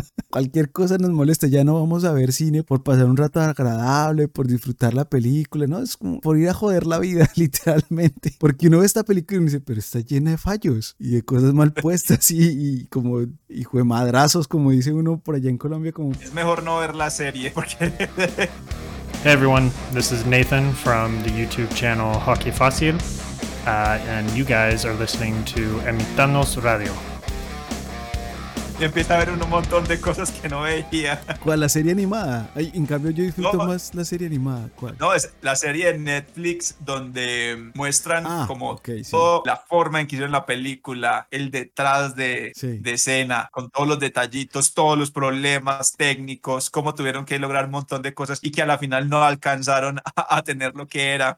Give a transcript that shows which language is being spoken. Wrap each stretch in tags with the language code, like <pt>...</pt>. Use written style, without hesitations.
<es>Cualquier cosa nos molesta, ya no vamos a ver cine por pasar un rato agradable, por disfrutar la película, ¿no? Es como por ir a joder la vida, literalmente. Porque uno ve esta película y uno dice, pero está llena de fallos y de cosas mal puestas y como hijo de madrazos, como dice uno por allá en Colombia. Como... Es mejor no ver la serie porque...</es> <en>Hey everyone, this is Nathan from the YouTube channel Hockey Fácil, and you guys are listening to Emitanos Radio.</en> <es>Y empieza a ver un montón de cosas que no veía. ¿Cuál? ¿La serie animada? Ay, en cambio yo disfruto más la serie animada. ¿Cuál? No, es la serie de Netflix donde muestran toda la forma en que hicieron la película, el detrás de escena, con todos los detallitos, todos los problemas técnicos, cómo tuvieron que lograr un montón de cosas y que a la final no alcanzaron a tener lo que era.</es>